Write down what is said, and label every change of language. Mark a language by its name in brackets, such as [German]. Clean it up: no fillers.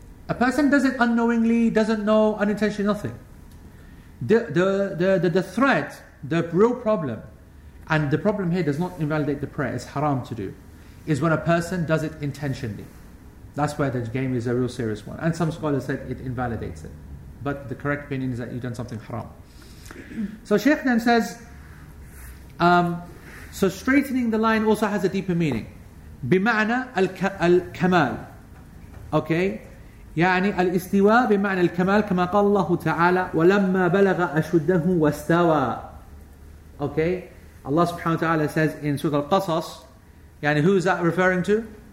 [English] A person does it unknowingly, doesn't know, unintentionally, nothing. The threat, the real problem, and the problem here does not invalidate the prayer, it's haram to do, is when a person does it intentionally. That's where the game is a real serious one. And some scholars said it invalidates it. But the correct opinion is that you've done something haram. So Sheikh then says, so straightening the line also has a deeper meaning. [Arabic] بِمَعْنَى الْكَمَالِ. [English] Okay? [Arabic] يعني الاستواء بمعنى الكمال كما قال الله تعالى ولما بلغ أشده واستوى. [English] Okay, Allah subhanahu wa ta'ala says in Surah Al-Qasas, [Arabic] يعني [English] who is that referring to?